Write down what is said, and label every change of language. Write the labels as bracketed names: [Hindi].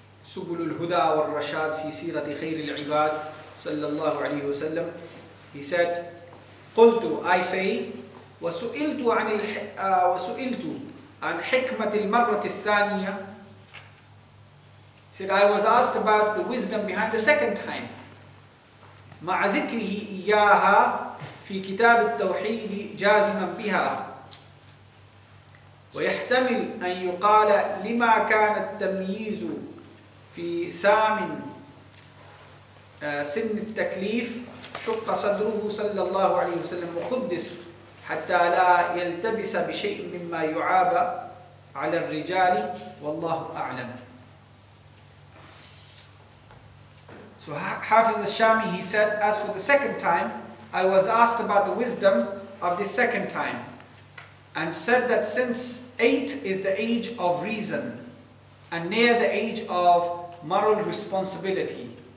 [Arabic] سبل الهدى والرشاد في سيرة خير العباد صلى الله عليه وسلم. [English] He said, [Arabic] قلت, [English] I say, [Arabic] وسئلت عن وسئلت عن حكمة المرة الثانية. [English] He said, I was asked about the wisdom behind the second time. [Arabic] مع ذكره إياها في كتاب التوحيد جازما بها. ويحتمل أن يقال لما كان التمييز في ثامن سن التكليف شق صدره صلى الله عليه وسلم وقدس حتى لا يلتبس بشيء مما يعاب على الرجال والله أعلم. [English] So Hafiz al-Shami, he said, as for the second time, I was asked about the wisdom of the second time and said that since 8 is the age of reason and near the age of moral responsibility.